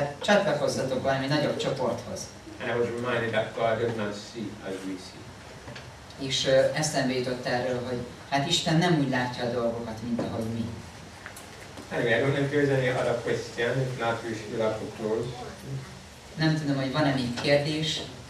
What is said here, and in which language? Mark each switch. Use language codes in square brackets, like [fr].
[hu] Hát csatlakozzatok valami nagyobb csoporthoz. [en] And I was reminded that God does not see as we see. [hu] És eszembe jutott erről, hogy hát Isten nem úgy látja a dolgokat, mint ahogy mi. [en] Anyway, I don't know if there's any other question. If not, we should have to close. [hu] Nem tudom, hogy van-e még kérdés.